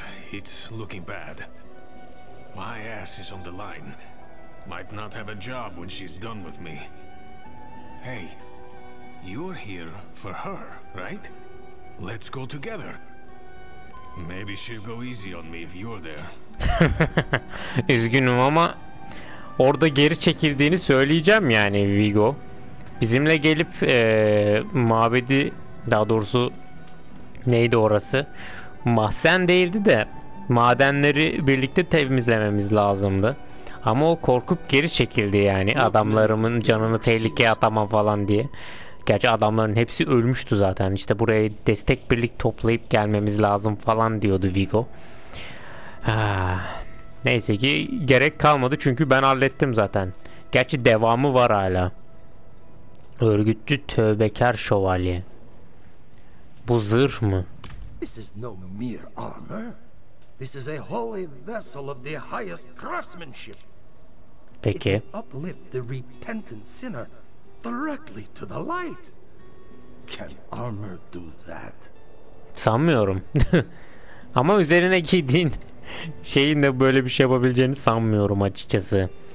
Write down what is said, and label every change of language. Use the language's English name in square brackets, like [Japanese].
[English] It's looking bad. My ass is on the line. Might not have a job when she's done with me. Hey, you're here for her, right? Let's go together. Maybe she'll go easy on me if you're there. [Turkish] Üzgünüm ama orada geri çekildiğini söyleyeceğim yani Vigo. Bizimle gelip mabedi, daha doğrusu neydi orası? Mahzen değildi de madenleri birlikte temizlememiz lazımdı. Ama o korkup geri çekildi yani, adamlarımın canını tehlikeye atama falan diye. Gerçi adamların hepsi ölmüştü zaten. İşte buraya destek birlik toplayıp gelmemiz lazım falan diyordu Vigo. Neyse ki gerek kalmadı çünkü ben hallettim zaten. Gerçi devamı var hala. Örgütçü tövbekar şövalye. Bu zırh mı? [English] This is no mere armor. This is a holy vessel of the highest craftsmanship. [Turkish] Peki. [English] It uplifts the repentant sinner directly to the light. Can armor do that? [Turkish] Sanmıyorum. Ama üzerine giydiğin şeyin de böyle bir şey yapabileceğini sanmıyorum açıkçası.